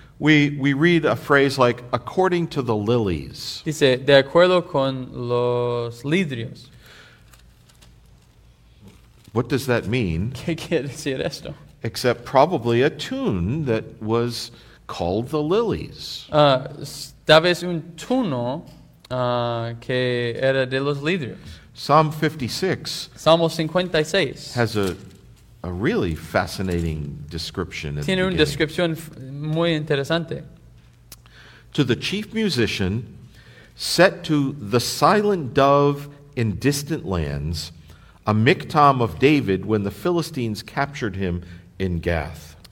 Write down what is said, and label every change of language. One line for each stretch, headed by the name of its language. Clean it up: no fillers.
English: We read a phrase like according to the lilies.
Spanish: Dice de acuerdo con los lirios.
English: What does that mean?
Spanish: ¿Qué quiere decir esto?
English: Except probably a tune that was called the lilies.
Spanish: Tal vez un tuno que era de los lirios.
English: Psalm 56
Spanish: Salmo 56
English: has a a really fascinating description.
Spanish: Tiene una descripción muy interesante.
English: To the chief musician, set to the silent dove in distant lands, a miktam of David when the Philistines captured him in Gath.